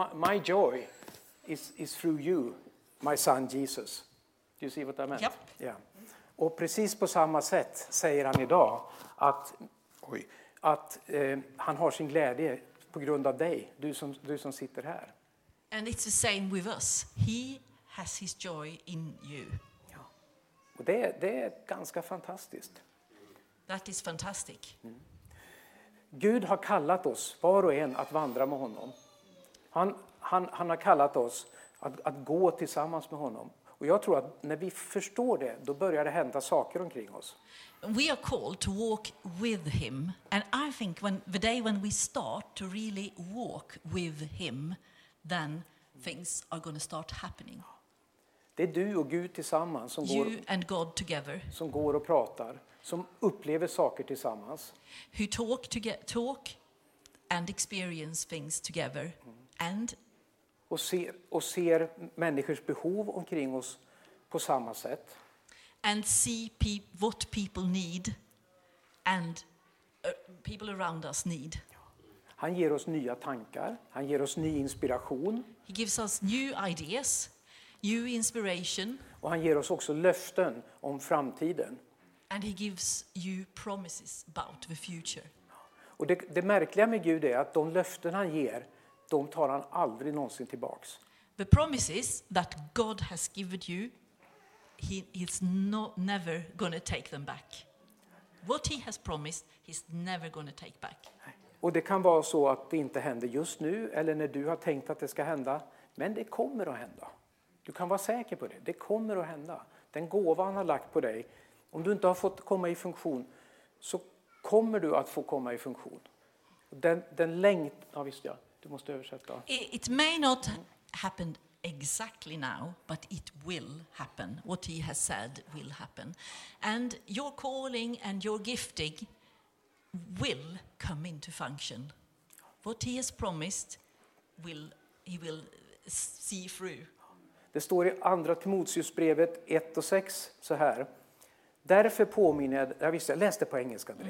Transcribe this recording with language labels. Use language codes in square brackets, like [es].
[en] My joy is through you, my son Jesus. Do you see what I meant? Yep. [sv] Yeah. Och precis på samma sätt säger han idag att joy. Att han har sin glädje på grund av dig, du som sitter här. [en] And it's the same with us. He has his joy in you. [sv] Ja. Och det är ganska fantastiskt. [en] That is fantastic. Mm. [sv] Gud har kallat oss, var och en, att vandra med honom. Han har kallat oss att gå tillsammans med honom. Och jag tror att när vi förstår det, då börjar det hända saker omkring oss. [en] We are called to walk with him. And I think when the day when we start to really walk with him, then things are going to start happening. [sv] Det är du och Gud tillsammans som [en] you [sv] går [en] and God together, [sv] som går och pratar, som upplever saker tillsammans. [en] Who talk to get talk and experience things together. Mm. And [sv] och ser människors behov omkring oss på samma sätt. [en] And see what people need and people around us need. [sv] Han ger oss nya tankar, han ger oss ny inspiration. [en] He gives us new ideas, new inspiration. [sv] Och han ger oss också löften om framtiden. [en] And he gives you promises about the future. [sv] Och det märkliga med Gud är att de löften han ger, de tar han aldrig någonsin tillbaks. [en] The promises that God has given you, he's never going to take them back. What he has promised, he's never going to take back. [sv] Och det kan vara så att det inte händer just nu eller när du har tänkt att det ska hända, men det kommer att hända. Du kan vara säker på det. Det kommer att hända. Den gåva han har lagt på dig, om du inte har fått komma i funktion, så kommer du att få komma i funktion. Den längt, ja visst ja, du måste översätta. [en] It may not happen exactly now, but it will happen. What he has said will happen. And your calling and your gifting will come into function. What he has promised, he will see through. [sv] Det står i andra Timoteusbrevet 1:6 så här. Därför påminner jag, jag visste, jag läste på engelska direkt.